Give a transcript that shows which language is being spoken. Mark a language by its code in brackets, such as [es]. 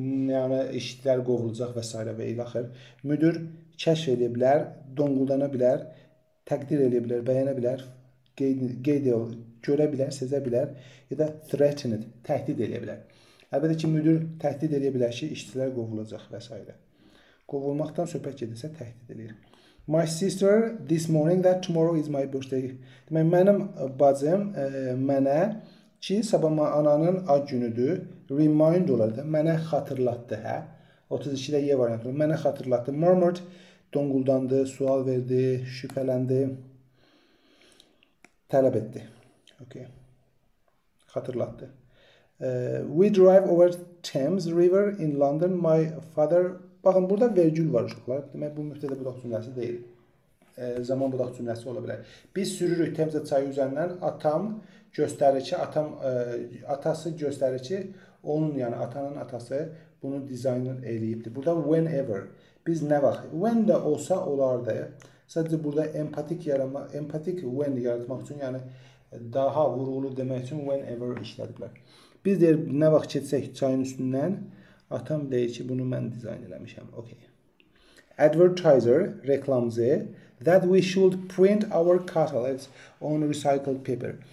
[az] Yəni işçilər qovulacaq və s. və ilaxır. Müdür kəşf edə bilər, donquldana bilər, təqdir edə bilər, bəyənə bilər, qeyd görə bilər, sezə bilər ya da threatened, təhdid edə bilər. Əlbəttə ki, müdür təhdid edə bilər ki, işçilər qovulacaq və s. Qovulmaqdan söhbət gedirsə təhdid edir. [en] My sister this morning that tomorrow is my birthday. [az] Demək, mənim bacım mənə ki sabah ananın ad günüdür remind olardı. Mənə xatırlatdı hə. 32-də Y variantı. Mənə xatırlatdı. Murmured donquldandı, sual verdi, şübhələndi. Tələb etdi. Okay. Xatırlatdı. [en] We drive over Thames River in London. My father [az] Baxın, burada vergül var uşaqlar. Demək bu mübtədə budaq cümləsi deyil. Zaman budaq cümləsi ola bilər. Biz sürürük Temzə çayı üzərindən. Atam göstərir ki, atası göstərir ki, onun yəni atanın atası bunu dizaynın eləyibdir. Burada whenever. Biz nə vaxt? When də olsa olardı. Sadəcə burada empatik yaratmaq, empatik when yaratmaq üçün, yəni daha vurğulu demək üçün whenever işlədiblər. Biz deyir, nə vaxt keçsək çayın üstündən, atam deyir ki, bunu mən dizayn eləmişəm. Okay. [en] Advertiser, reklamcı, that we should print our catalogs on recycled paper.